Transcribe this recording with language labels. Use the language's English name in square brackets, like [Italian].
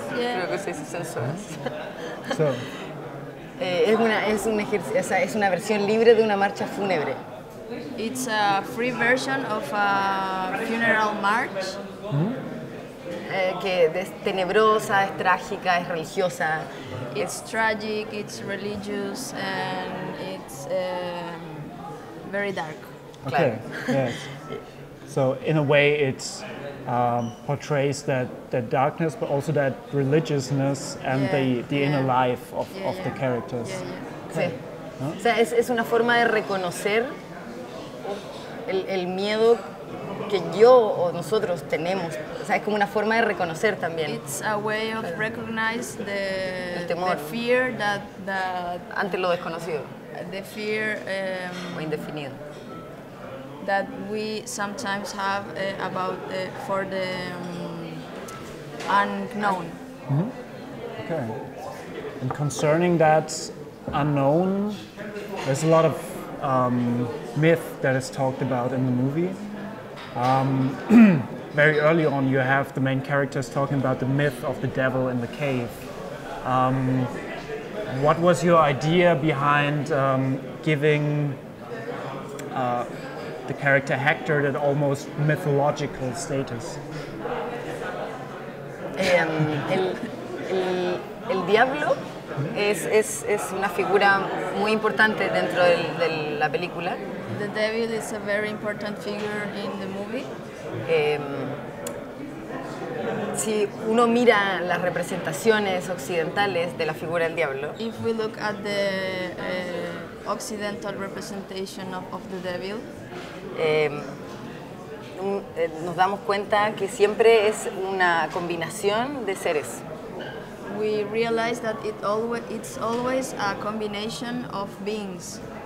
[Spanish] Creo que se dice censuras. [English] So. [Spanish] Es una versión libre de una marcha fúnebre. [English] It's a free version of a funeral march. Mm-hmm. [Spanish] Que es tenebrosa, es trágica, es religiosa. [English] It's tragic, it's religious, and it's very dark. Okay. Yes. So in a way, it portrays that darkness, but also that religiousness and the inner life of the characters. Yeah. Okay. Sí. [Spanish] Huh? O sea, es una forma de reconocer el miedo que yo o nosotros tenemos. O sea, es como una forma de reconocer también. [English] It's a way of recognize the [Spanish] el temor. [English] The fear that [Spanish] ante lo desconocido. [English] The fear [Spanish] o indefinido. [English] That we sometimes have about for the unknown. Mm-hmm. Okay. And concerning that unknown, there's a lot of myth that is talked about in the movie. very early on, you have the main characters talking about the myth of the devil in the cave. What was your idea behind giving the character Hector that almost mythological status? [Spanish] el diablo es una figura muy importante dentro de la película. [English] The devil is a very important figure in the movie. [Spanish] Si uno mira las representaciones occidentales de la figura del diablo, [English] if we look at the occidental representation of the devil, [Spanish] nos damos cuenta que siempre es una combinación de seres. [English] We realize that it's always a combination of beings.